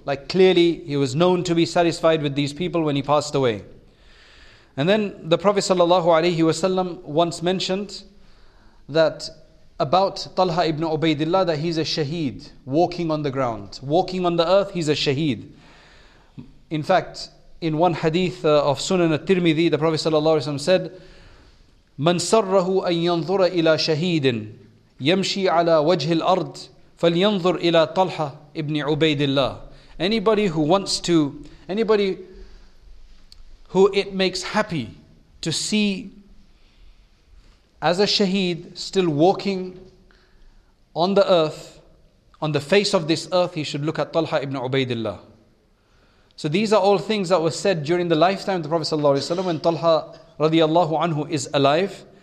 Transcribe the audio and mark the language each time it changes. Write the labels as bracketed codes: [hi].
[en] Like, clearly he was known to be satisfied with these people when he passed away. And then the Prophet sallallahu alaihi wasallam once mentioned that about Talha ibn Ubaidillah, that he's a shaheed walking on the ground, walking on the earth, he's a shaheed. In fact, in one hadith of Sunan al-Tirmidhi, the Prophet sallallahu alaihi wasallam said, [ar] من سره أن ينظر إلى شهيد يمشي على وجه الأرض فلينظر إلى طلحة ابن عبيد الله. [en] Anybody who it makes happy to see as a shaheed still walking on the earth, on the face of this earth, he should look at طلحة ابن عبيد الله. So these are all things that were said during the lifetime of the Prophet sallallahu alaihi wasallam, when Talha radiallahu anhu is alive.